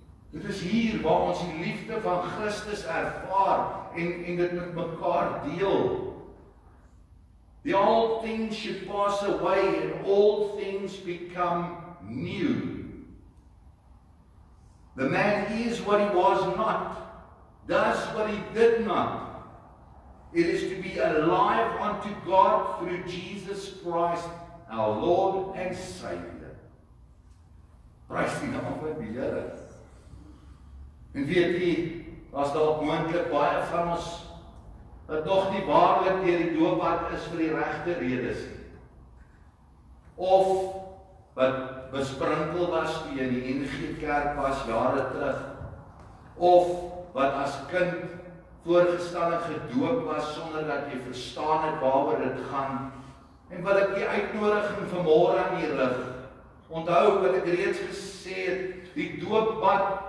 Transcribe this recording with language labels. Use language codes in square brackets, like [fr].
[af] Dit is hier waar ons die liefde van Christus ervaar en dit met mekaar deel. [en] The old things should pass away and all things become new. The man is what he was not, does what he did not. It is to be alive unto God through Jesus Christ, our Lord and Savior. [af] Prys die naam van die Here. En weet jy, was daar moontlik baie van ons, wat nog nie waarlik deur die doopbad is vir die regte redes. Of, wat besprinkel was toe in die NG Kerk was jare terug, of wat as kind voorgestel en gedoop was sonder dat jy verstaan het waaroor dit gaan, en wil ek die uitnodiging vanmôre aan u rig. Onthou wat ek reeds gesê het, die doopbad